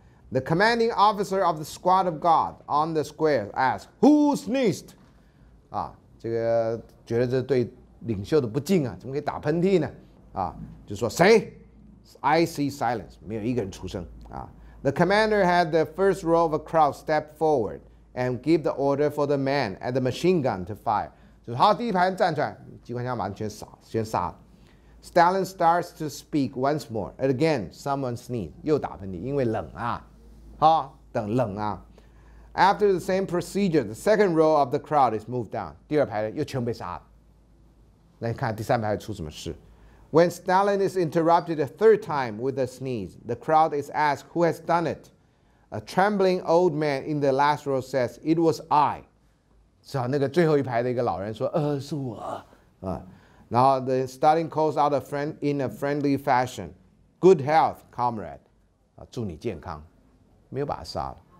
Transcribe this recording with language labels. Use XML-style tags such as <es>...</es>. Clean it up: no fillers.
<en>The commanding officer of the squad of God on the square asked, "Who sneezed?"</en> <zh>啊，这个觉得这对领袖的不敬啊，怎么可以打喷嚏呢？啊，就说谁 ？</zh> <en>I see silence，</en> <zh>没有一个人出声啊。</zh> <en>The commander had the first row of a crowd step forward and give the order for the man at the machine gun to fire，</en> <zh>就是他第一排站出来，机关枪把人全杀。</zh> <en>Stalin starts to speak once more, and again someone sneezed.</en> <zh>又打喷嚏，因为冷啊，哈，等冷啊。</zh> <en>After the same procedure, the second row of the crowd is moved down.</en> <zh>第二排又全被杀了。那你看第三排出什么事</zh> <en>？When Stalin is interrupted a third time with a sneeze, the crowd is asked who has done it. A trembling old man in the last row says, "It was I."</en> <zh>是啊，那个最后一排的一个老人说，是我啊。然后</zh> <en>the Stalin calls out a friend in a friendly fashion, "Good health, comrade."</en> <zh>啊，祝你健康，没有把他杀了。</zh>